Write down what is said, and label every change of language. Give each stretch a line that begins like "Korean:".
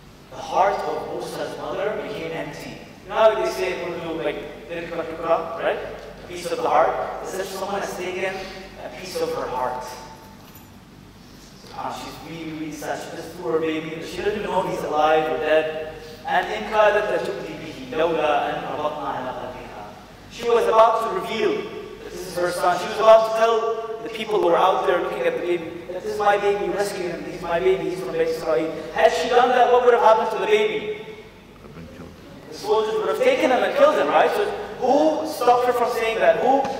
English: The heart of Musa's mother became empty. You know how they say in Urdu, like, right? A piece of the heart? It's as if someone has taken a piece of her heart. She's really, really sad. She just threw her baby. She doesn't even know if he's alive or dead. And in
Arabic: قَالَتْ لَتُبْدِي بِهِ لَوْلَا أَنْ رَبَطْنَا عَلَىٰ قَلْبِهَا.
English: She was about to reveal that this is her son. She was about to tell the people who were out there looking at the baby that this is my baby, you rescued him. He's my baby, he's from Beit Israel. Had she done that, what would have happened to the baby? The soldiers would have taken him and killed him, right? So who stopped her from saying that? Who